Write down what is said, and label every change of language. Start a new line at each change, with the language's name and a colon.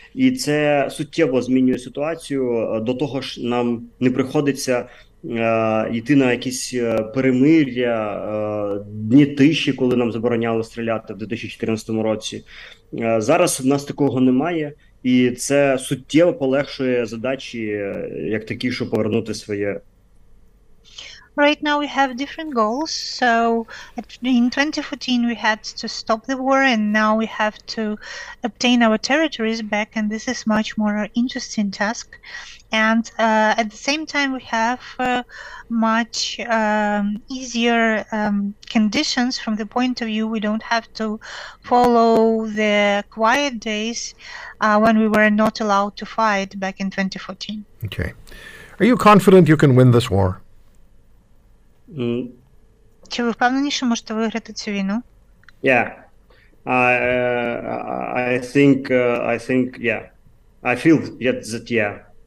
Ukrainian: І це суттєво змінює ситуацію. До того ж, нам не приходиться йти на якісь перемир'я, дні тиші, коли нам забороняли стріляти в 2014 році. Зараз в нас такого немає. І це суттєво полегшує задачі, як такі, що повернути своє.
English: Right now we have different goals. So in 2014 we had to stop the war, and now we have to obtain our territories back, and this is much more interesting task. And at the same time we have much easier conditions from the point of view we don't have to follow the quiet days when we were not allowed to fight back in 2014. Okay. Are you confident you can win this war?
Ukrainian: Чи ви впевнені, що можете виграти цю війну?
English: Yeah. I think yeah. I feel yet that yeah.